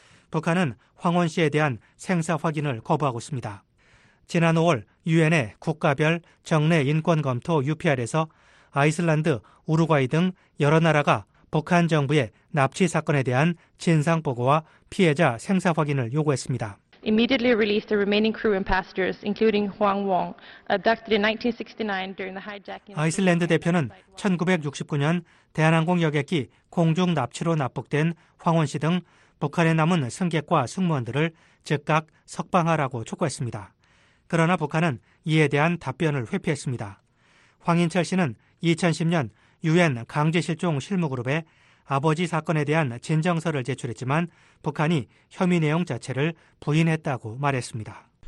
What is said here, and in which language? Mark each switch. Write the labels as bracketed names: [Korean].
[Korean] 북한은 황원 씨에 대한 생사 확인을 거부하고 있습니다. 지난 5월 유엔의 국가별 정례 인권검토 UPR에서 아이슬란드, 우루과이 등 여러 나라가 북한 정부의 납치 사건에 대한 진상 보고와 피해자 생사 확인을 요구했습니다. [English] Immediately release the remaining crew and passengers, including Hwang Wong, abducted in 1969 during the hijacking. [Korean] 아이슬란드 대표는 1969년 대한항공 여객기 공중 납치로 납북된 황원 씨 등 북한에 남은 승객과 승무원들을 즉각 석방하라고 촉구했습니다. 그러나 북한은 이에 대한 답변을 회피했습니다. 황인철 씨는 2010년 유엔 강제실종 실무그룹에 아버지 사건에 대한 진정서를 제출했지만 북한이 혐의 내용 자체를 부인했다고 말했습니다.